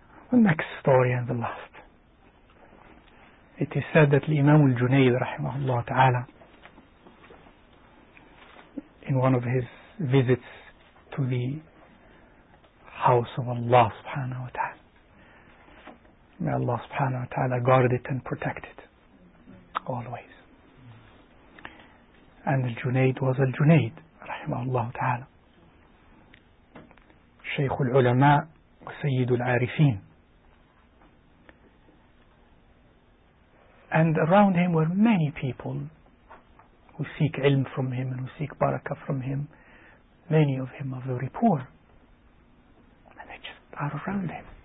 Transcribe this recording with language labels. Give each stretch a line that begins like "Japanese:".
English: The next story and the last. It is said that الإمام الجنيد
Arabic: رحمه الله تعالى
English: in one of his visits to the house of Allah سبحانه وتعالى, may Allah سبحانه وتعالى guard it and protect it always. And al-Junayd was al-Junayd,
Arabic: رحمه الله تعالى. شيخ العلماء وسيد العارفين.
English: And around him were many people who seek ilm from him and who seek barakah from him. Many of him are very poor. And they just are around him.